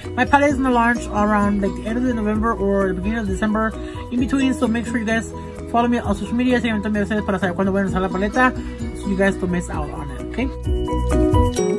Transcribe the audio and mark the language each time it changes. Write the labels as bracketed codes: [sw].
[en] My palette is gonna launch around like the end of the November or the beginning of December, in between. So make sure you guys follow me on social media. [es] Sígueme también ustedes para saber cuándo voy a lanzar la paleta. [en] So you guys don't miss out on it, okay?